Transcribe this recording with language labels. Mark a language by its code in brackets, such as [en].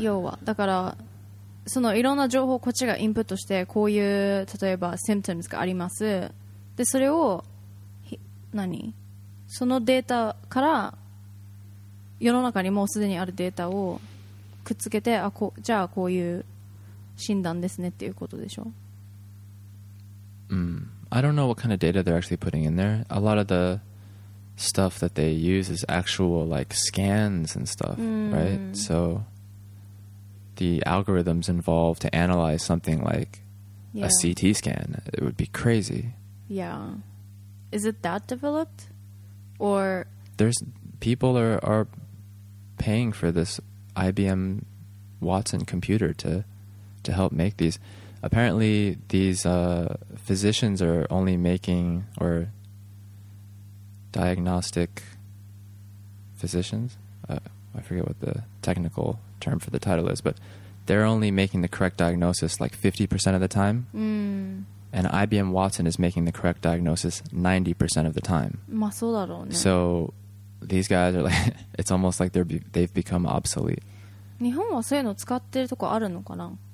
[ja] 要は、だから、そのいろんな情報をこっちがインプットして、こういう、例えば、symptoms があります。で、それを、何?そのデータから、世の中にもうすでにあるデータをくっつけて、あ、こ、じゃあこういう診断ですねっていうことでしょ? [en] I don't know what kind of data they're actually putting in there. A lot of the... stuff that they use is actual like scans and stuff, right? So the algorithms involved to analyze something like a CT scan, it would be crazy. Yeah. Is it that developed? Or... People are paying for this IBM Watson computer to help make these. Apparently, these physicians are only making, or diagnostic physicians, I forget what the technical term for the title is, but they're only making the correct diagnosis like 50% of the time. Mm. And IBM Watson is making the correct diagnosis 90% of the time. [ja] まあそうだろうね。 [en] So these guys are like, it's almost like they've become obsolete. [ja] 日本はそういうの使ってるとこあるのかな?